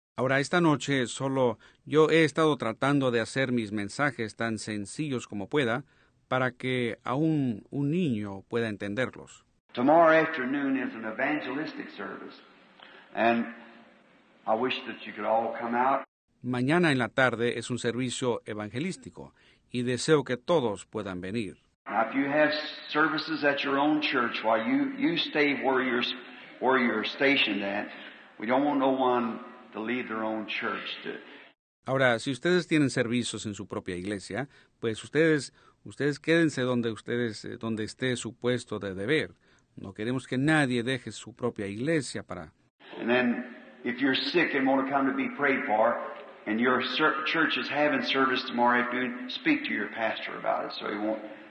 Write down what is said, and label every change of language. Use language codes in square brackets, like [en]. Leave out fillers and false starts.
[es] Ahora esta noche solo yo he estado tratando de hacer mis mensajes tan sencillos como pueda para que aún un niño pueda entenderlos. [en] Tomorrow afternoon is an evangelistic service, and I wish that you could all come out. [es] Mañana en la tarde es un servicio evangelístico, y deseo que todos puedan venir. [en] Now, if you have services at your own church, while you stay where you're stationed at, we don't want no one to leave their own church. [es] Ahora, si ustedes tienen servicios en su propia iglesia, pues ustedes quédense donde esté su puesto de deber. No queremos que nadie deje su propia iglesia para. [en] And then, if you're sick and want to come to be prayed for, and your church is having service tomorrow afternoon, speak to your pastor about it, so he won't.